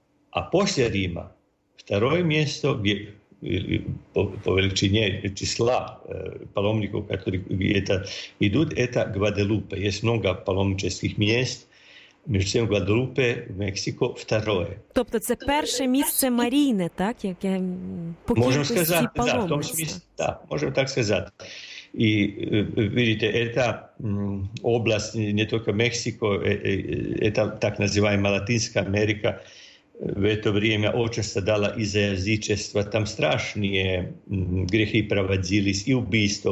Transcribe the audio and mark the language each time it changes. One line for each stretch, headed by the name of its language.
Russian: А после Рима второе место, где по величине числа паломников, которые это идут, это Гваделупе. Есть много паломнических мест. Между тем, Гваделупе в Мексике второе.
Ukrainian: Тобто це перше місце Марійне, так? Яке по кількості паломництва. Можемо так сказати.
Russian: И видите, это область, не только Мексико, это так называемая Латинская Америка, в это время очень страдала из-за язычества. Там страшные грехи проводились, и убийства.